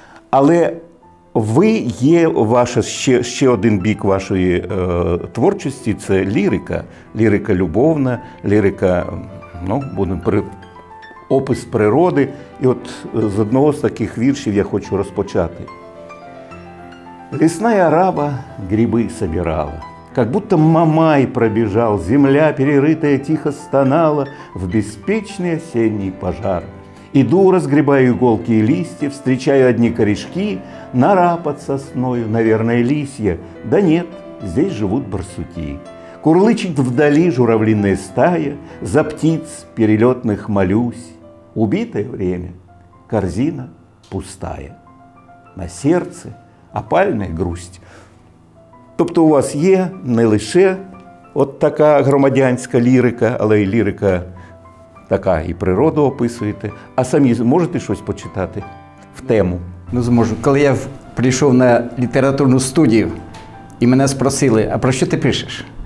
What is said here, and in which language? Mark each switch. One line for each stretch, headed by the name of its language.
Ukrainian: Але ви є ваша ще один бік вашої творчості – це лірика. Лірика любовна, лірика, ну, будемо опис природи. І от з одного з таких віршів я хочу розпочати.
Russian: Лесная араба грибы собирала, как будто мамай пробежал, земля перерытая тихо стонала в беспечный осенний пожар. Иду, разгребаю иголки и листья, встречаю одни корешки, нора под сосною, наверное, лисья, да нет, здесь живут барсуки. Курлычет вдали журавлиная стая, за птиц перелетных молюсь, убитое время, корзина пустая, на сердце опальна грусть.
Ukrainian: Тобто у вас є не лише от така громадянська лірика, але й лірика така, і природу описуєте. А самі можете щось почитати в тему? Ну, зможу. Коли я прийшов на літературну студію, і мене спросили, а про що ти пишеш?